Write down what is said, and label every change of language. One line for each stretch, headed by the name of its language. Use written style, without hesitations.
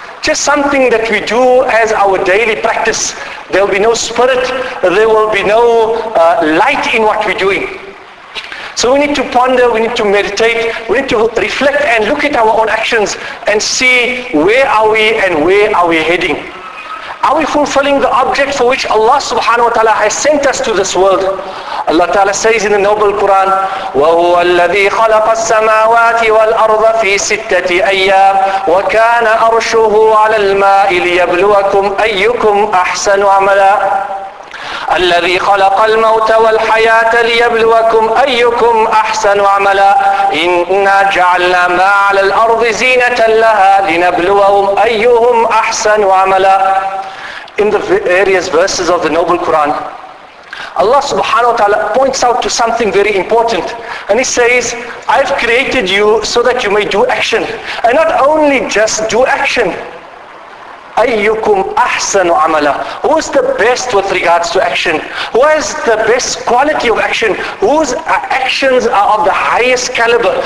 English: Just something that we do as our daily practice. There will be no spirit, there will be no light in what we're doing. So we need to ponder, we need to meditate, we need to reflect and look at our own actions and see where are we and where are we heading. Are we fulfilling the object for which Allah subhanahu wa ta'ala has sent us to this world? Allah ta'ala says in the noble Quran,
Arabic: وَهُوَ الَّذِي خَلَقَ السَّمَاوَاتِ وَالْأَرْضَ فِي سِتَّةِ أَيَّامٍ وَكَانَ أَرْشُهُ عَلَى الْمَاءِ لِيَبْلُوَكُمْ أَيُّكُمْ أَحْسَنُ عَمَلًا الذي خلق الموت والحياة ليبلوكم أيكم أحسن عملا إنا جعلنا ما على الأرض زينة لها لنبلوهم أيهم أحسن عملا
English: In the various verses of the Noble Quran, Allah subhanahu wa ta'ala points out to something very important. And He says, I've created you so that you may do action. And not only just do action.
Arabic: أَيُّكُمْ أَحْسَنُ عَمَلًا
English: Who is the best with regards to action? Who has the best quality of action? Whose actions are of the highest caliber?